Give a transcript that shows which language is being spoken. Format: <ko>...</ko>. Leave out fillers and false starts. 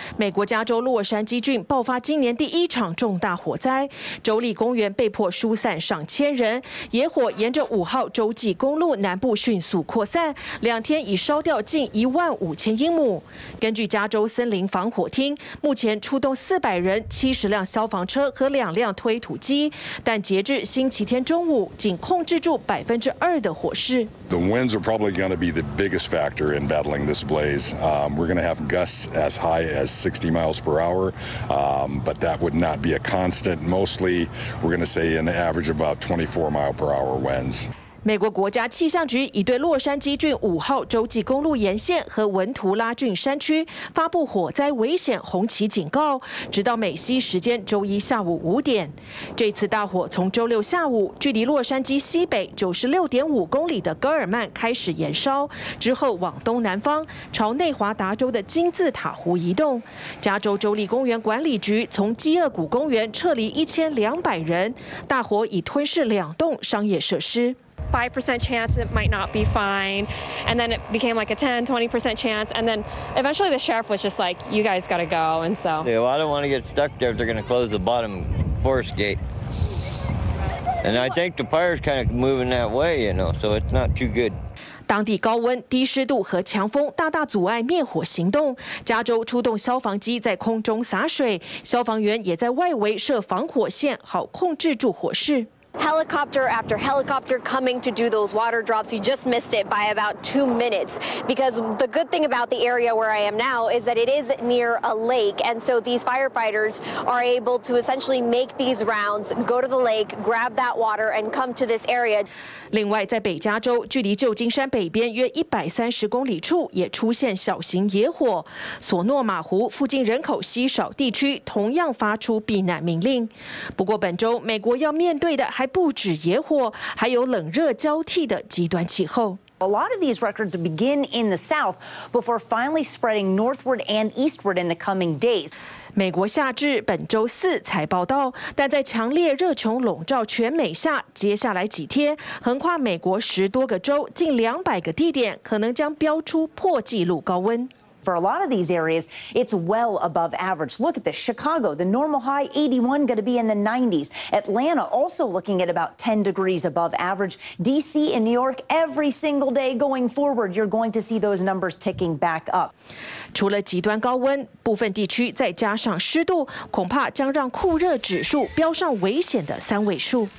<zh>美国加州洛杉矶郡爆发今年第一场重大火灾，州立公园被迫疏散上千人，野火沿着5号洲际公路南部迅速扩散，2天已烧掉近15000英亩。根据加州森林防火厅，目前出动400人、70辆消防车和2辆推土机，但截至星期天中午，仅控制住2%的火势。</zh> <en>The winds are probably going to be the biggest factor in battling this blaze. We're going to have gusts as high as 60 miles per hour, but that would not be a constant. Mostly, we're going to say an average of about 24 mile per hour winds.</en> <zh>美国国家气象局已对洛杉矶郡五号洲际公路沿线和文图拉郡山区发布火灾危险红旗警告，直到美西时间周一下午五点。这次大火从周六下午距离洛杉矶西北96.5公里的戈尔曼开始燃烧，之后往东南方朝内华达州的金字塔湖移动。加州州立公园管理局从饥饿谷公园撤离1200人，大火已吞噬2栋商业设施。</zh> <en>5% chance it might not be fine, and then it became like a 10-20% chance, and then eventually the sheriff was just like, you guys gotta go, and so. Yeah, well, I don't want to get stuck there if they're gonna close the bottom forest gate. And I think the fire's kind of moving that way, you know, so it's not too good.</en> <zh>当地高温、低湿度和强风大大阻碍灭火行动，加州出动消防机在空中洒水，消防员也在外围设防火线，好控制住火势。</zh> <en>Helicopter after helicopter coming to do those water drops. You just missed it by about 2 minutes. Because the good thing about the area where I am now is that it is near a lake. And so these firefighters are able to essentially make these rounds, go to the lake, grab that water, and come to this area.</en> <zh>另外，在北加州，距离旧金山北边约130公里处，也出现小型野火。索诺马湖附近人口稀少地区同样发出避难命令。不过，本周美国要面对的还不止野火，还有冷热交替的极端气候。</zh> <en>A lot of these records begin in the south before finally spreading northward and eastward in the coming days.</en> <zh>美国夏至本周四才报道，但在强烈热穹笼罩全美下，接下来几天横跨美国10多个州、近200个地点，可能将飙出破纪录高温。</zh> <en>For a lot of these areas, it's well above average. Look at this, Chicago, the normal high 81, going to be in the 90s. Atlanta also looking at about 10 degrees above average. DC and New York, every single day going forward, you're going to see those numbers ticking back up.</en> <zh>除了极端高温，部分地区再加上湿度，恐怕将让酷热指数飙上危险的三位数。</zh>